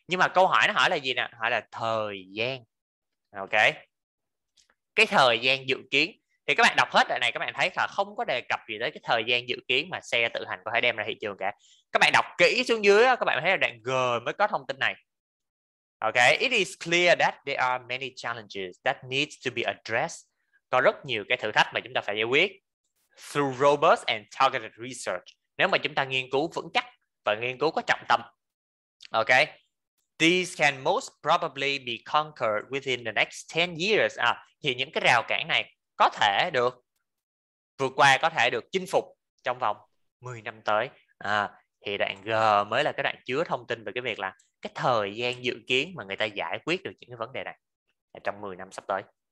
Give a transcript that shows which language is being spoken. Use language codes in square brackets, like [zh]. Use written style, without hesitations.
[vi] Nhưng mà câu hỏi nó hỏi là gì nè? Hỏi là thời gian. Ok. Cái thời gian dự kiến. Thì các bạn đọc hết đoạn này các bạn thấy là không có đề cập gì tới cái thời gian dự kiến mà xe tự hành có thể đem ra thị trường cả. Các bạn đọc kỹ xuống dưới các bạn thấy là đoạn G mới có thông tin này. [en] Okay, it is clear that there are many challenges that needs to be addressed. [vi] Có rất nhiều cái thử thách mà chúng ta phải giải quyết. [en] Through robust and targeted research. [vi] Nếu mà chúng ta nghiên cứu vững chắc và nghiên cứu có trọng tâm. Okay. [en] These can most probably be conquered within the next 10 years. [vi] À, thì những cái rào cản này có thể được vượt qua, có thể được chinh phục trong vòng 10 năm tới. À, thì đoạn G mới là cái đoạn chứa thông tin về cái việc là cái thời gian dự kiến mà người ta giải quyết được những cái vấn đề này trong 10 năm sắp tới.